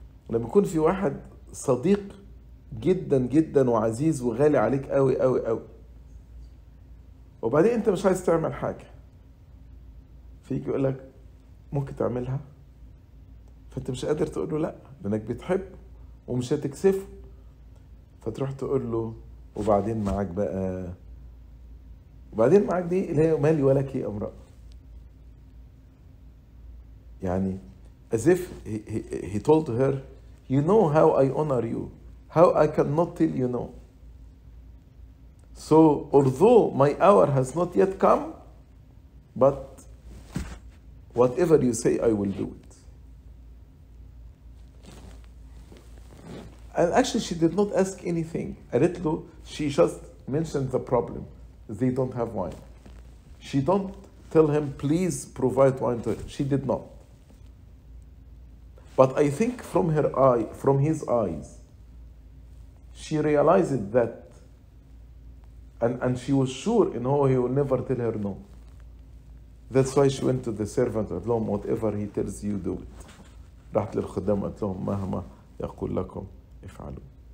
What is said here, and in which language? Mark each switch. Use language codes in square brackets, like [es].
[ar] لما يكون في واحد صديق جدا جدا وعزيز وغالي عليك قوي قوي قوي, وبعدين انت مش عايز تعمل حاجة, فيجي يقول لك ممكن تعملها, فانت مش قادر تقول له لا لانك بتحب ومش هتكسف, فتروح تقول له وبعدين معاك بقى, وبعدين معاك دي اللي هي مالي ولك يا امرأة. [en] يعني as if he told her, you know how I honor you, how I cannot tell you no. So although my hour has not yet come, but whatever you say, I will do it. And actually she did not ask anything. She just mentioned the problem. They don't have wine. She don't tell him, please provide wine to her. She did not. But I think from her eye, from his eyes, she realized that, and she was sure, you know, he will never tell her no. That's why she went to the servant and told him, whatever he tells you, do it. [ar] رحت للخدام قلت لهم مهما يقول لكم افعلوا.